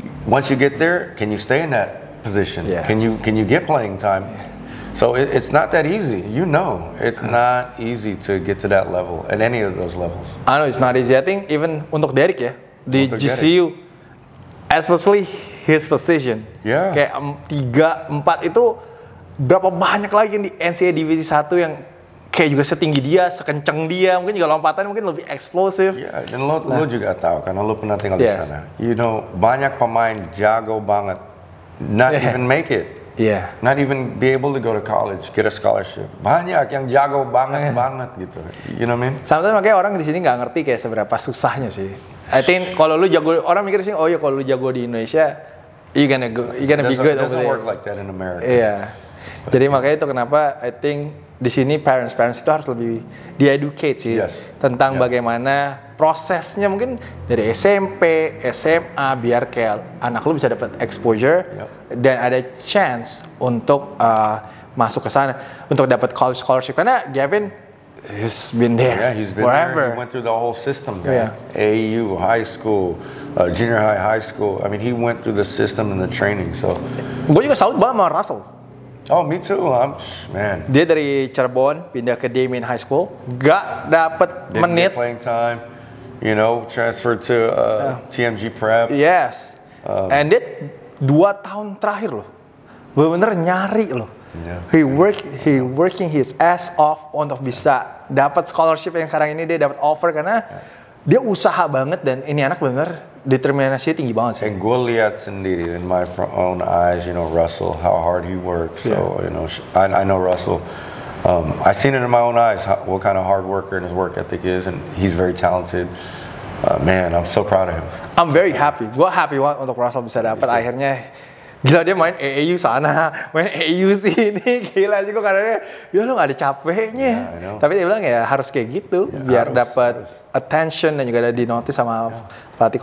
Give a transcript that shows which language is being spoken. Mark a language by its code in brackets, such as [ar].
[en] Once you get there, can you stay in that position? Yes. Can you get playing time? Yeah. So it's not that easy, you know. It's not easy to get to that level, at any of those levels. I know it's not easy. I think even [id] untuk Derek ya, [en] di GCU, especially his position. Yeah. [id] Kayak 3-4 itu berapa banyak lagi yang di NCAA Divisi 1 yang kayak juga setinggi dia, sekenceng dia, mungkin juga lompatannya mungkin lebih eksplosif. Yeah, dan lo juga tahu karena lo pernah tinggal di sana. [en] You know, [id] banyak pemain jago banget, [en] not even make it. Yeah. Not even be able to go to college, get a scholarship. [id] Banyak yang jago banget banget gitu. [en] You know what I mean? [id] Sometimes makanya orang di sini enggak ngerti kayak seberapa susahnya sih. [en] I think [id] kalau lu jago, orang mikir sih, "Oh iya, kalau lu jago di Indonesia, [en] you gonna be good." It doesn't work like that in America. [id] Iya. Yeah. Jadi makanya itu kenapa [en] I think [id] di sini parents itu harus lebih di-educate sih, [en] yes, [id] tentang bagaimana prosesnya mungkin dari SMP, SMA, biar kayak anak lu bisa dapat exposure, dan ada chance untuk masuk ke sana, untuk dapat college scholarship. [en] Karena Gavin, he's been there he's been forever. There. He went through the whole system, guys. Yeah. AU, high school, junior high school. I mean, he went through the system and the training, so. [id] Gue juga salut banget sama Russell. [en] Oh, me too. Man. [id] Dia dari Cirebon pindah ke Damien High School, gak dapet menit. [en] Didn't get playing time, you know, transferred to TMG Prep. [id] Yes. And it 2 tahun terakhir loh, bener-bener nyari loh. [en] Yeah. He working his ass off [id] untuk bisa dapet scholarship yang sekarang ini dia dapet offer karena dia usaha banget dan ini anak bener. Determinasi tinggi banget sih. [en] And [id] gue lihat sendiri [en] in my own eyes, you know, Russell, how hard he works. Yeah. So, you know, I know Russell. I've seen it in my own eyes, what kind of hard worker and his work ethic is, and he's very talented. Man, I'm so proud of him. I'm very happy. [id] Gue happy banget untuk Russell bisa dapat akhirnya. Gila dia main AAU sana, main AAU sini, gila juga karena dia lu gak ada capeknya. [en] Yeah, [id] tapi dia bilang ya harus kayak gitu, biar dapat attention dan juga ada di notice sama pelatih.